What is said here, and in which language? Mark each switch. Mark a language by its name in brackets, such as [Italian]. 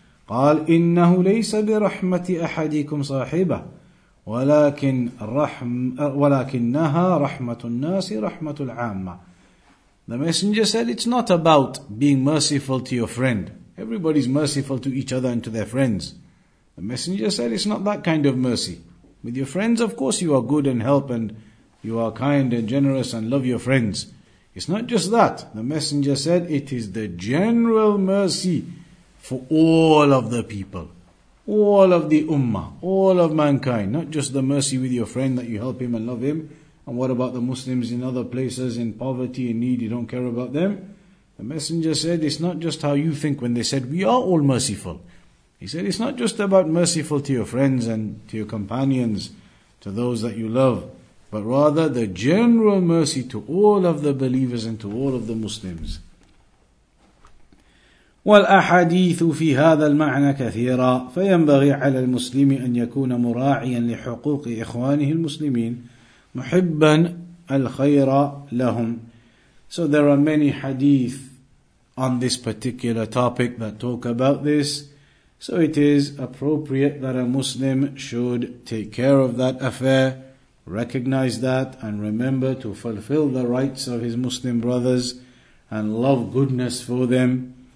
[Arabic] قال إنه ليس برحمة أحدكم صاحبه ولكن رحم ولكنها رحمة الناس رحمة العامة. [English] The messenger said, it's not about being merciful to your friend. Everybody's merciful to each other and to their friends. The messenger said, it's not that kind of mercy. With your friends, of course, you are good and help and you are kind and generous and love your friends. It's not just that. The messenger said, it is the general mercy for all of the people, all of the ummah, all of mankind. Not just the mercy with your friend that you help him and love him. And what about the Muslims in other places in poverty and need, you don't care about them? The messenger said, it's not just how you think when they said, we are all merciful. He said, it's not just about merciful to your friends and to your companions, to those that you love. But rather the general mercy to all of the believers and to all of the Muslims. [Arabic] والأحاديث في هذا المعنى كثيرة فينبغي على المسلم أن يكون مراعيا لحقوق إخوانه المسلمين محبا الخير لهم. [English] So there are many hadith on this particular topic that talk about this. So it is appropriate that a Muslim should take care of that affair. Recognize that and remember to fulfill the rights of his Muslim brothers and love goodness for them.